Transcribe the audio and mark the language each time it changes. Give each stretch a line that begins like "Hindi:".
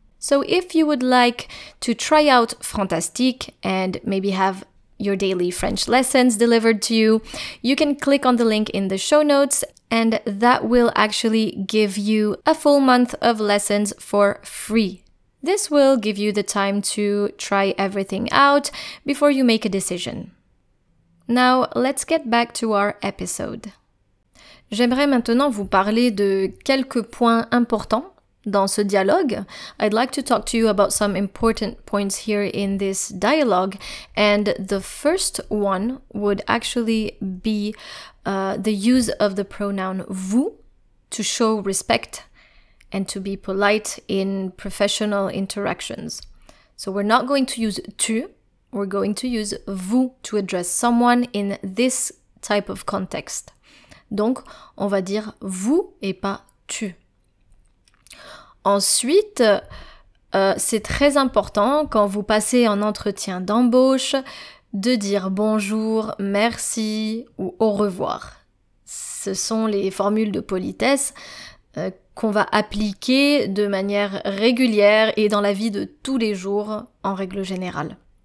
English: So if you would like to try out Frontastique and maybe have your daily French lessons delivered to you, you can click on the link in the show notes, and that will actually give you a full month of lessons for free. This will give you the time to try everything out before you make a decision. Now, let's get back to our episode.
French: J'aimerais maintenant vous parler de quelques points importants dans ce dialogue.
English: I'd like to talk to you about some important points here in this dialogue. And the first one would actually be the use of the pronoun vous to show respect and to be polite in professional interactions. So we're not going to use tu. We're going to use vous to address someone in this type of context.
French: Donc, on va dire vous et pas tu. Ensuite, c'est très important quand vous passez en entretien d'embauche de dire bonjour, merci ou au revoir. Ce sont les formules de politesse qu'on va appliquer de manière régulière et dans la vie de tous les jours en règle générale.